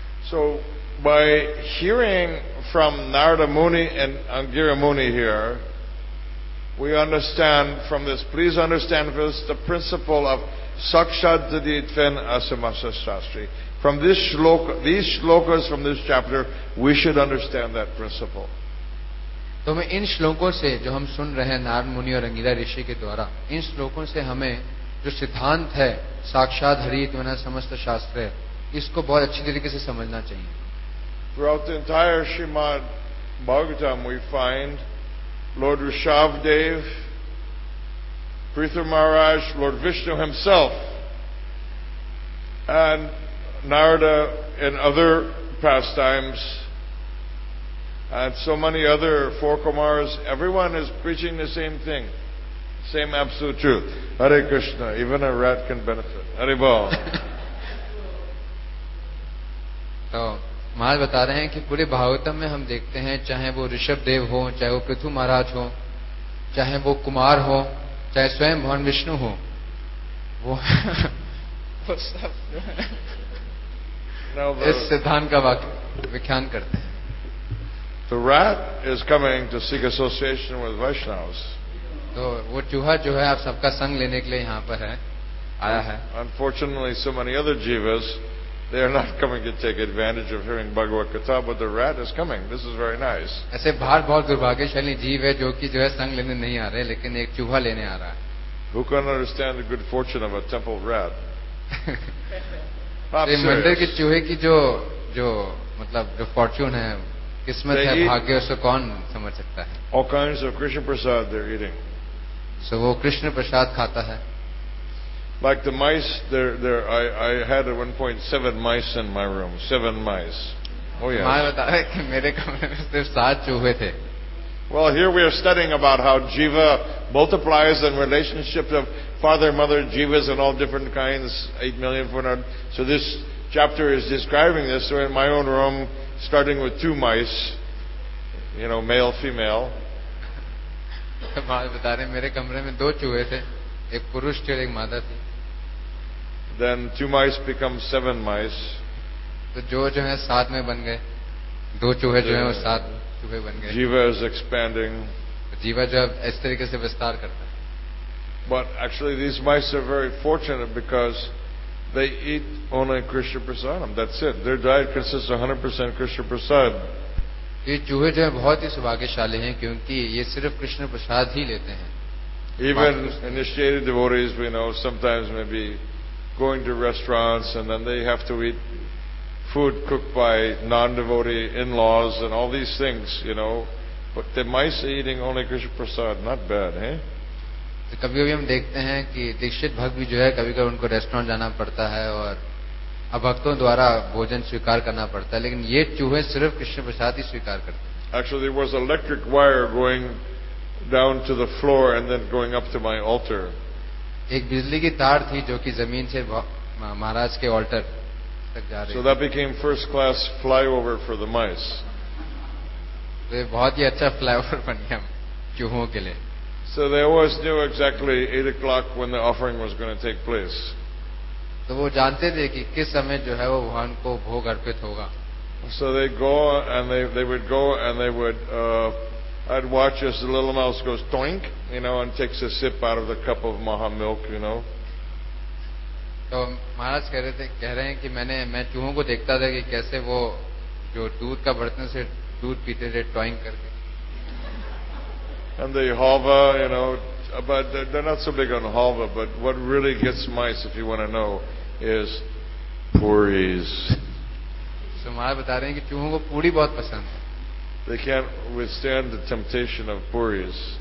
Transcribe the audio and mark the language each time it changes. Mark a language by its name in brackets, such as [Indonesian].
[English] So by hearing from Narada Muni and Angira Muni here, we understand from this, please understand this, the principle of Sakshat Tadityen Asamasa Shastri. From this shloka, these shlokas from this chapter, we should understand that principle. [Hindi] तो हमें इन श्लोकों से जो हम सुन रहे हैं नारद मुनि और अंगिरा ऋषि के द्वारा इन श्लोकों से हमें जो सिद्धांत है साक्षात हरि तुम्हारा समस्त शास्त्र है इसको बहुत अच्छी तरीके से समझना चाहिए. [English] Throughout the entire Srimad Bhagavatam, we find Lord Rishabhdev, Prithu Maharaj, Lord Vishnu himself, and Narada in other pastimes, and so many other four Kumaras, everyone is preaching the same thing, same absolute truth. Hare Krishna, even a rat can benefit. Hare Bol. [Hindi] So, महाराज बता रहे हैं कि पूरे भागवतम में हम देखते हैं चाहे वो ऋषभ देव हो चाहे वो पृथु महाराज हो चाहे वो कुमार हो चाहे स्वयं भगवान विष्णु हो वो सब इस सिद्धांत का व्याख्यान करते हैं. [English] The rat is coming to seek association with Vaishnavas. [Hindi] तो वो चूहा जो है आप सबका संग लेने के लिए यहाँ पर है आया है. [English] Unfortunately, so many other jivas, they are not coming to take advantage of hearing Bhagavad Katha, but the rat is coming. This is very nice. [Hindi] ऐसे बाहर बहुत दुर्भाग्यशाली जीव है जो कि जो है संग लेने नहीं आ रहे लेकिन एक चूहा लेने आ रहा है. [English] Who can understand the good fortune of a temple rat? [Hindi] मंदिर के चूहे की जो जो मतलब जो फॉर्च्यून है किस्मत है भाग्य उसको कौन समझ सकता है. [English] All kinds of Krishna prasad they're eating. [Hindi] So वो कृष्ण प्रसाद खाता है. [English] Like the mice, I had at one point 7 mice in my room. 7 mice. Oh yes. [Hindi] मैं बता रहा कि मेरे कमरे में सिर्फ 7 चूहे थे. [English] Well, here we are studying about how jiva multiplies and relationships of father, mother, jivas and all different kinds, 8,400,000. So this chapter is describing this. So in my own room, starting with 2 mice, you know, male, female. [Hindi] बता रहे मेरे कमरे में दो चूहे थे, एक पुरुष थे और एक मादा थी. [English] Then two mice become seven mice. [Hindi] तो जो जो है सात में बन गए, दो चूहे जो है वो सात चूहे बन गए. [English] Jiva is expanding. [Hindi] जीवा जो अब इस तरीके से विस्तार करता है. [English] But actually these mice are very fortunate because they eat only Krishna prasadam. That's it. Their diet consists of 100% Krishna prasad. [Hindi] ये चूहे जो है बहुत ही सौभाग्यशाली हैं क्योंकि ये सिर्फ कृष्ण प्रसाद ही लेते हैं. [English] Even initiated devotees, we know, sometimes maybe going to restaurants and then they have to eat food cooked by non-devotee in-laws and all these things, you know. But the mice are eating only Krishna prasad. Not bad, eh? [Hindi] तो कभी कभी हम देखते हैं कि दीक्षित भक्त भी जो है कभी कभी उनको रेस्टोरेंट जाना पड़ता है और अभक्तों द्वारा भोजन स्वीकार करना पड़ता है, लेकिन ये चूहे सिर्फ कृष्ण प्रसाद ही स्वीकार करते हैं. [English] Actually, there was electric wire going down to the floor and then going up to my altar. [Hindi] एक बिजली की तार थी जो कि जमीन से महाराज के ऑल्टर तक जा रही. [English] So that became first class flyover for the mice. [Hindi] तो ये बहुत ही अच्छा फ्लाईओवर बन गया चूहों के लिए. [English] So they always knew exactly 8 o'clock when the offering was going to take place. [Hindi] तो वो जानते थे कि किस समय जो है वो भगवान को भोग अर्पित होगा. [English] So they go and they would go and they would I'd watch as the little mouse goes toink, you know, and takes a sip out of the cup of maha milk, you know. [Hindi] तो महाराज कह रहे हैं कि मैं चूहों को देखता था कि कैसे वो जो दूध का बर्तन से दूध पीते थे टॉइंग करके. [English] And they hover, you know, but they're not so big on hover, but what really gets mice, if you want to know, is puris. [Hindi] So Maharaj bata rahe hain ki chuhon ko puri bahut pasand hai. [English] They can't withstand the temptation of puris.